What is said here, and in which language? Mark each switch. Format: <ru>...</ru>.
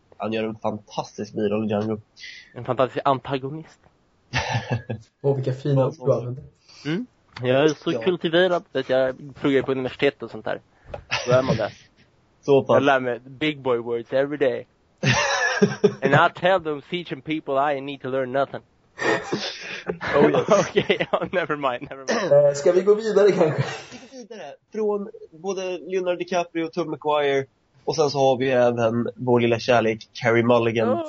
<sv>Han gör en fantastisk biroll i Django. En fantastisk antagonist. Åh, vilka fina ord du använder. Jag är så kultiverad att jag pluggar på universitet och sånt där. Då är man där. Så jag lär mig</sv> <en>big boy words every day. And I tell them teaching people I need to learn nothing. Oh, yes. Okay, never mind.</en> <sv>Ska vi gå vidare kanske? Vi går vidare från både Leonardo DiCaprio och Tom McGuire. Och sen så har vi även vår lilla kärlek Carey Mulligan.</sv>